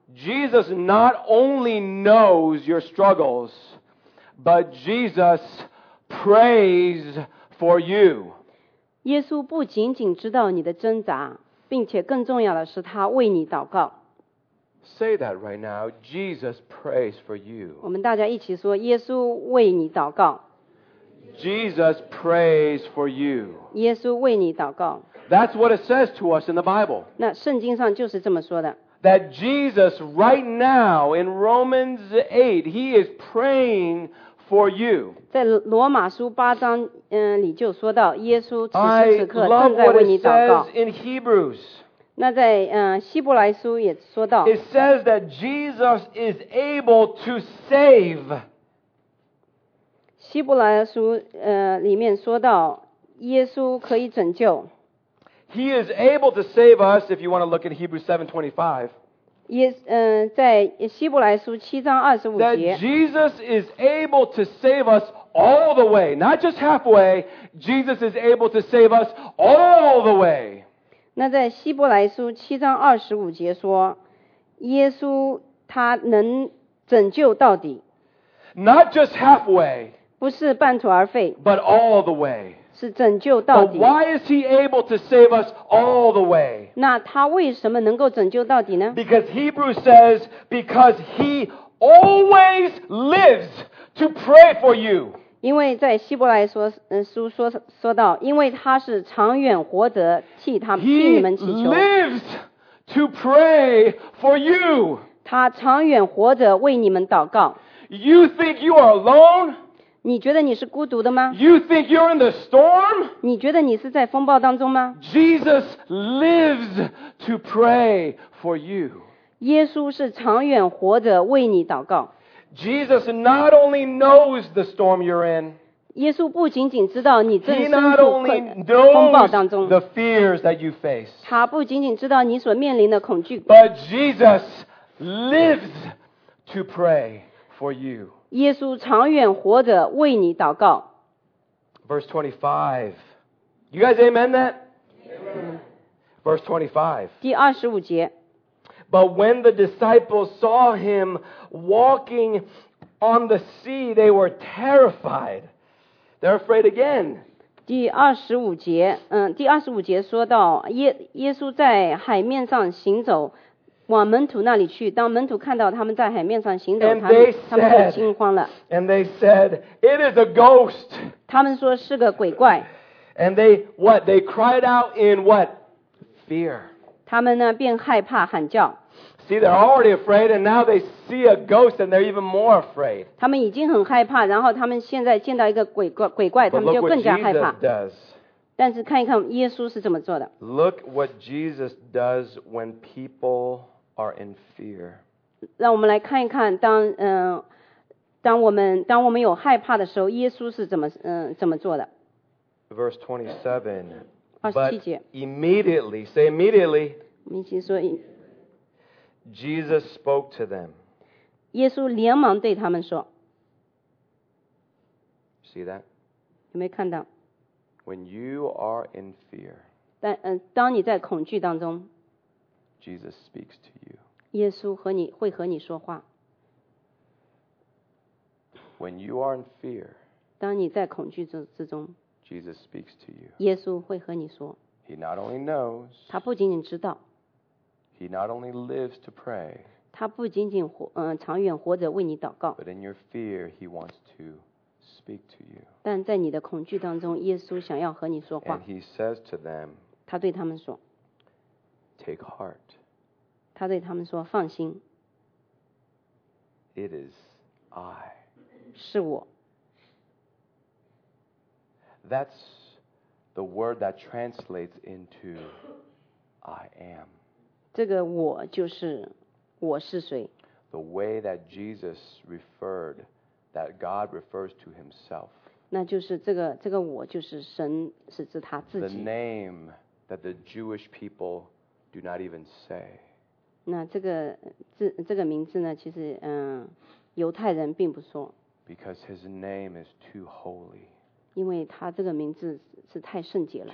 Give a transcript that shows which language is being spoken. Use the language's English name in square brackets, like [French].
[English] Jesus not only knows your struggles, but Jesus prays for you. [Chinese] 耶稣不仅仅知道你的挣扎，并且更重要的是他为你祷告。 [English] Say that right now. Jesus prays for you. [Chinese] 我们大家一起说，耶稣为你祷告。 [English] Jesus prays for you. [Chinese] 耶稣为你祷告。 [English] That's what it says to us in the Bible. [Chinese] 那圣经上就是这么说的。 [English] That Jesus right now in Romans 8, he is praying for you. [Chinese] 在罗马书八章，嗯，里就说到，耶稣此时此刻正在为你祷告。 [English] I love what it says in Hebrews. [Chinese] 那在希伯来书也说到。 [English] It says that Jesus is able to save. [Chinese] 希伯来书里面说到，耶稣可以拯救。 [English] He is able to save us. If you want to look at Hebrews 7:25. [Chinese] 在希伯来书七章二十五节 [English] that Jesus is able to save us all the way, not just halfway. Jesus is able to save us all the way. [Chinese] 那在希伯来书七章二十五节说，耶稣他能拯救到底 [English] ，not just halfway， [Chinese] 不是半途而废 [English] ，but all the way。 [Chinese] 是拯救到底。 [English] But why is he able to save us all the way? [Chinese] 那他为什么能够拯救到底呢 [English] ？Because Hebrews says, because he always lives to pray for you. [Chinese] 因为在希伯来说，书说说到，因为他是长远活着，替他替你们祈求。 [English] He lives to pray for you. [Chinese] 他长远活着为你们祷告。 [English] You think you are alone? [Chinese] 你觉得你是孤独的吗 [English] ？You think you're in the storm？ [Chinese] 你觉得你是在风暴当中吗 [English] ？Jesus lives to pray for you。 [Chinese] 耶稣是长远活着为你祷告。 [English] Jesus not only knows the storm you're in。 [Chinese] 耶稣不仅仅知道你正身处风暴当中。 [English] The fears that you face。 [Chinese] 他不仅仅知道你所面临的恐惧。 [English] But Jesus lives to pray for you。 [Chinese] 耶稣长远活着为你祷告。 [English] Verse 25. You guys amen that? Verse 25. [Chinese] 第二十五节。 [English] But when the disciples saw him walking on the sea, they were terrified. They're afraid again. [Chinese] 第二十五节，第二十五节说到耶稣在海面上行走。往门徒那里去，当门徒看到他们在海面上行走，他们很惊慌了。 [English] And they said, "It is a ghost." [Chinese] 他们说是个鬼怪。 [English] And they what? They cried out in what? Fear. [Chinese] 他们呢便害怕喊叫。 [English] See, they're already afraid, and now they see a ghost, and they're even more afraid. [Chinese] 他们已经很害怕，然后他们现在见到一个鬼怪，他们就更加害怕。 [English] But look what Jesus does. [Chinese] 但是看一看耶稣是怎么做的。 [English] Look what Jesus does when people are in fear. [Chinese] 让我们来看一看当当我们有害怕的时候，耶稣是怎么做的。 [English] Verse 27. But immediately, say immediately. [Chinese] 我们一起说。 [English] Jesus spoke to them. [Chinese] 耶稣连忙对他们说。 [English] See that? [Chinese] 有没有看到？ [English] When you are in fear, [Chinese] 当你在恐惧当中 [English] ，Jesus speaks to you. [Chinese] 耶稣和你会和你说话。 [English] When you are in fear, [Chinese] 当你在恐惧之中 [English] ，Jesus speaks to you. [Chinese] 耶稣会和你说。 [English] He not only knows. [Chinese] 他不仅仅知道。 [English] He not only lives to pray. [Chinese] 他不仅仅长远活着为你祷告。 [English] But in your fear, he wants to. Speak to you. [Chinese] 但在你的恐惧当中，耶稣想要和你说话。 [English] And he says to them. [Chinese] 他对他们说。 [English] Take heart. [Chinese] 他对他们说，放心。 [English] It is I. [Chinese] 是我。 [English] That's the word that translates into I am. [Chinese] 这个我就是我是谁。 [English] The way that Jesus referred. That God refers to Himself. [Chinese] 那就是这个我就是神是指他自己。 [English] The name that the Jewish people do not even say. [Chinese] 那这个名字呢，其实犹太人并不说。 [English] Because His name is too holy. [Chinese] 因为他这个名字是太圣洁了。